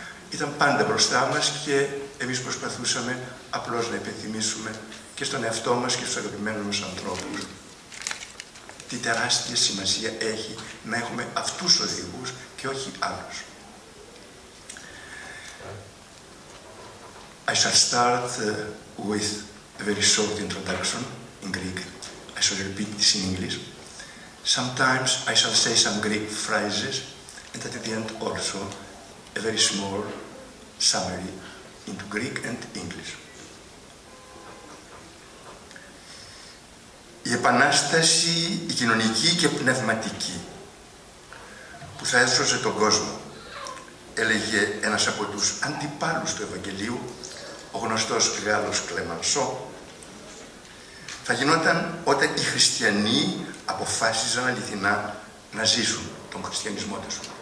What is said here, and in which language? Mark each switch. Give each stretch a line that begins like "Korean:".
Greek: Ήταν πάντα μπροστά μας και εμείς προσπαθούσαμε απλώς να υπενθυμίσουμε και στον εαυτό μας και στους αγαπημένους μας ανθρώπους τι τεράστια σημασία έχει να έχουμε αυτούς οδηγούς και όχι άλλους.
English: I shall start with a very short introduction in Greek. I shall repeat this in English. Sometimes I shall say some Greek phrases and at the end also a very small summary into Greek and English.
Greek: Η επανάσταση, η κοινωνική και πνευματική που θα έσωσε τον κόσμο, έλεγε ένας από τους αντιπάλους του Ευαγγελίου, ο γνωστός Γάλλος Κλεμανσό, θα γινόταν όταν οι χριστιανοί αποφάσιζαν αληθινά να ζήσουν τον χριστιανισμό τους.